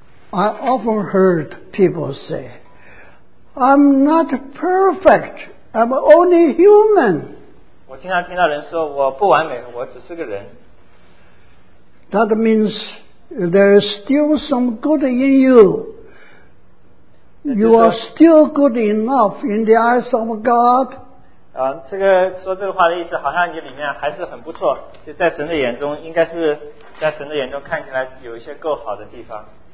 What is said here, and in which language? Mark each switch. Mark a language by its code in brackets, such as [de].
[en] I often heard people say, I'm not perfect, I'm only human. [zh] 我经常听到人说我不完美，我只是个人。 [en] That means,There is still some good in you. You are still good enough in the eyes of God. [zh] 这个说这个话的意思，好像你里面还是很不错，就在神的眼中，应该是在神的眼中看起来有一些够好的地方。